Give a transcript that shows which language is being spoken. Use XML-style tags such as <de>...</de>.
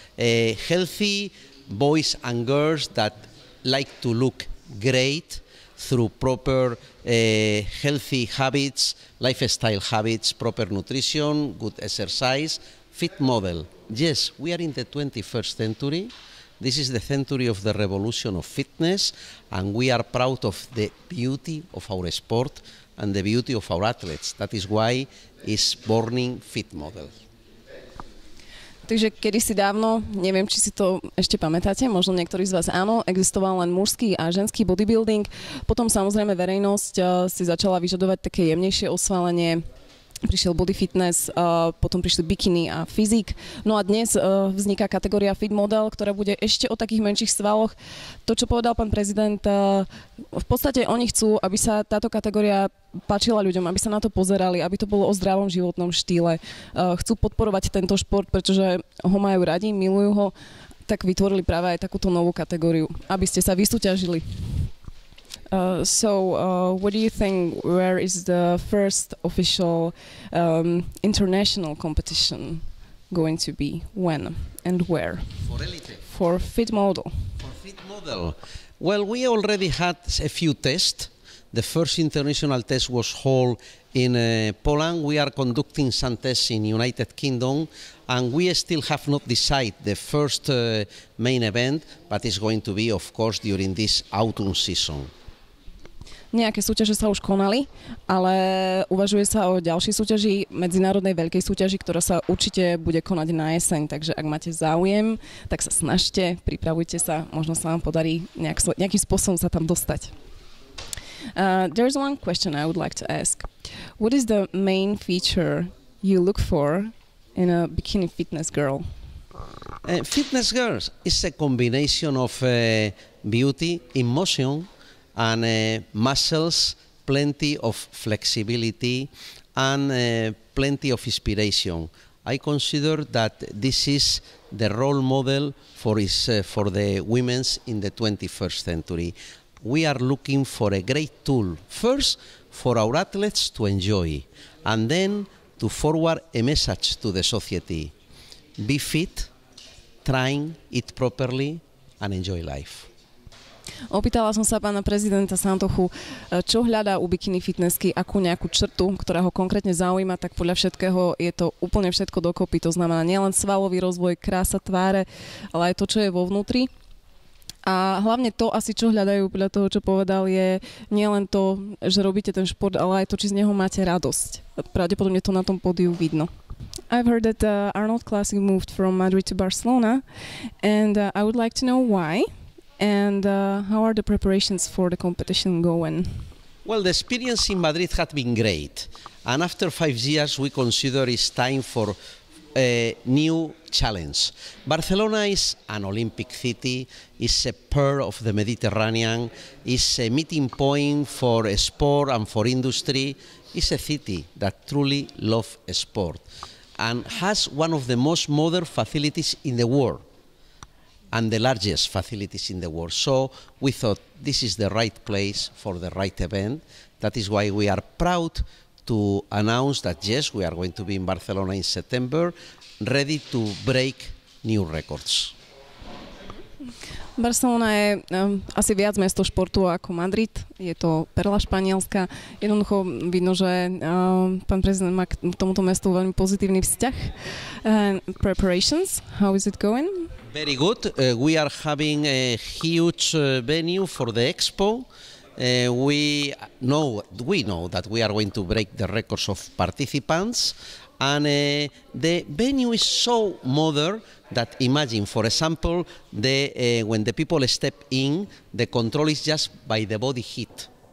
<en>Healthy boys and girls that like to look great through proper healthy habits, lifestyle habits, proper nutrition, good exercise, fit model. Yes, we are in the 21st century. This is the century of the revolution of fitness, and we are proud of the beauty of our sport and the beauty of our athletes. That is why is burning fit model.</en> <sk>Takže kedysi dávno, neviem, či si to ešte pamätáte, možno niektorí z vás áno, existoval len mužský a ženský bodybuilding. Potom samozrejme verejnosť si začala vyžadovať také jemnejšie osvalenie. Prišiel body fitness, potom prišli bikiny a fyzik. No a dnes vzniká kategória fit model, ktorá bude ešte o takých menších svaloch. To, čo povedal pán prezident, v podstate oni chcú, aby sa táto kategória páčila ľuďom, aby sa na to pozerali, aby to bolo o zdravom životnom štýle. Chcú podporovať tento šport, pretože ho majú radi, milujú ho, tak vytvorili práve aj takúto novú kategóriu, aby ste sa vysúťažili.</sk> <en>What do you think, where is the first official international competition going to be, when and where? For elite. For fit model. For fit model. Well, we already had a few tests. The first international test was held in Poland. We are conducting some tests in United Kingdom, and we still have not decided the first main event, but it's going to be, of course, during this autumn season.</en> <sk>Nejaké súťaže sa už konali, ale uvažuje sa o ďalšej súťaži, medzinárodnej veľkej súťaži, ktorá sa určite bude konať na jeseň, takže ak máte záujem, tak sa snažte, pripravujte sa, možno sa vám podarí nejakým spôsobom sa tam dostať.</sk> <en>There is one question I would like to ask. What is the main feature you look for in a bikini fitness girl? Fitness girls is a combination of beauty, emotion, and muscles, plenty of flexibility, and plenty of inspiration. I consider that this is the role model for the women in the 21st century. We are looking for a great tool, first for our athletes to enjoy, and then to forward a message to the society. Be fit, train, eat properly, and enjoy life.</en> <sk>Opýtala som sa pána prezidenta Santochu, čo hľadá u bikini fitnessky, akú nejakú črtu, ktorá ho konkrétne zaujíma, tak podľa všetkého je to úplne všetko dokopy, to znamená nielen svalový rozvoj, krása tváre, ale aj to, čo je vo vnútri. A hlavne to asi, čo hľadajú podľa toho, čo povedal, je nielen to, že robíte ten šport, ale aj to, či z neho máte radosť. Pravdepodobne to na tom pódiu vidno.</sk> <en>I've heard that Arnold Classic moved from Madrid to Barcelona and I would like to know why. And how are the preparations for the competition going? Well, the experience in Madrid had been great. And after 5 years, we consider it's time for a new challenge. Barcelona is an Olympic city, it's a pearl of the Mediterranean, it's a meeting point for sport and for industry. It's a city that truly loves sport and has one of the most modern facilities in the world. And the largest facilities in the world. So we thought this is the right place for the right event. That is why we are proud to announce that yes, we are going to be in Barcelona in September, ready to break new records.</en> <sk>Barcelona je asi viac mesto športu ako Madrid. Je to perla španielska. Jednoducho vidno, že pán prezident má k tomuto mestu veľmi pozitívny vzťah.</sk> <en>Preparations, how is it going? Very good. We are having a huge venue for the expo. We know that we are going to break the records of participants, and the venue is so modern that imagine, for example, the when the people step in, the control is just by the body heat.</en>